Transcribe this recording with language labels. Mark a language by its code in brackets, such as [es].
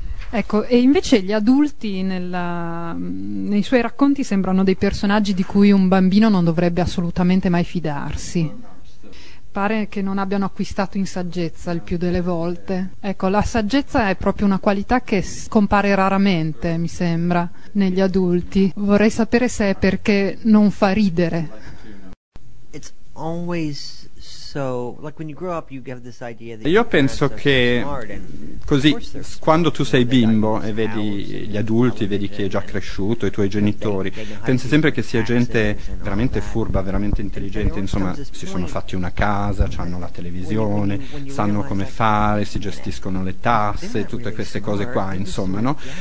[it] Ecco, e invece gli adulti nei suoi racconti sembrano dei personaggi di cui un bambino non dovrebbe assolutamente mai fidarsi. Pare che non abbiano acquistato in saggezza il più delle volte. Ecco, la saggezza è proprio una qualità che compare raramente, mi sembra, negli adulti. Vorrei sapere se è perché non fa ridere. [en] It's always so, like when you grow up you have this idea that. [it] Io penso che così, quando tu sei bimbo e vedi gli adulti, vedi chi è già cresciuto, i tuoi genitori, pensi sempre che sia gente veramente furba, veramente intelligente, insomma, si sono fatti una casa, hanno la televisione, sanno come fare, si gestiscono le tasse, tutte queste cose qua, insomma, no?